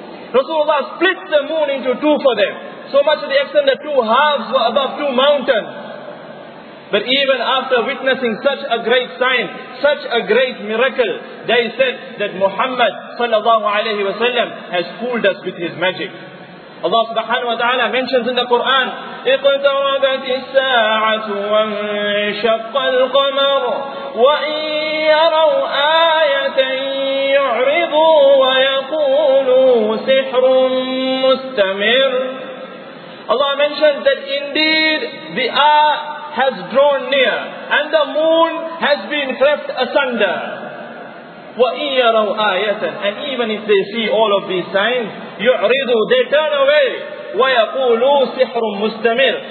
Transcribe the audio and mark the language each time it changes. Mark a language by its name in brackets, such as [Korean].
[English] Rasulullah split the moon into two for them, so much to the extent that two halves were above two mountains. But even after witnessing such a great sign, such a great miracle, they said that Muhammad sallallahu alayhi wa sallam has fooled us with his magic. Allah subhanahu wa ta'ala mentions in the Quran, [Arabic] اِقْتَرَبَتِ السَّاعَةُ وَانْشَقَّ الْقَمَرُ وَإِنْ يَرَوْا آيَةً يُعْرِضُوا وَيَقُولُوا سِحْرٌ مُسْتَمِرٌ. [English] Allah mentions that indeed the ayah has drawn near and the moon has been cleft asunder. [Arabic] وَإِنْ يَرَوْا آيَةً. [English] And even if they see all of these signs, [Arabic] يُعْرِضُوا, [English] they turn away. [Arabic] وَيَقُولُوا سِحْرٌ مُسْتَمِرٌ.